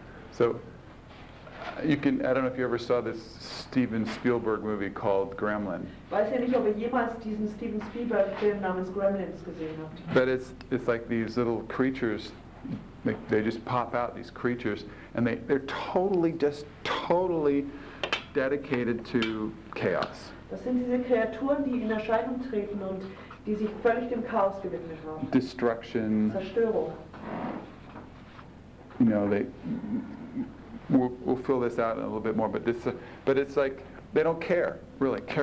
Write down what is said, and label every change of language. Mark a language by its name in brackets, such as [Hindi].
[English] So you can, I don't know if you ever saw this Steven Spielberg movie called Gremlin. [German] Weiß ja nicht, ob ihr jemals diesen Steven Spielberg Film namens Gremlins gesehen habt. [English] But it's like these little creatures, they just pop out, these creatures, and they're totally dedicated to chaos. [German] Das sind diese Kreaturen, die in Erscheinung treten und die sich völlig dem Chaos gewidmet haben. [English] Destruction. [German] Zerstörung. [English] You know, we'll fill this out in a little bit more, but this, but it's like they don't care, really.